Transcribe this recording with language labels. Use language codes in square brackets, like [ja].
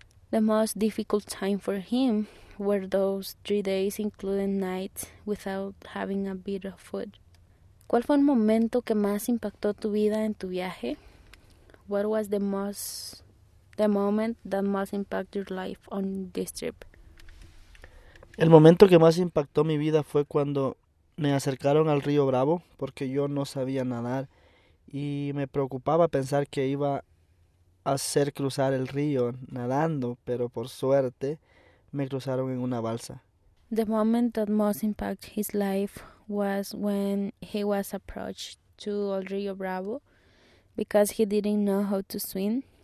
[en] The most difficult time for him were those 3 days, including nights, without having a bit of food. [es] ¿Cuál fue el momento que más impactó tu vida en tu viaje? [en] What was the moment that most impacted your life on this trip? [es] El momento que más impactó mi vida fue cuando me acercaron al río Bravo, porque yo no sabía nadar y me preocupaba pensar que iba a hacer cruzar el río nadando, pero por suerte me cruzaron en una balsa. [en] The moment that most impacted his life was when he was approached to El Rio Bravo because he didn't know how to swim.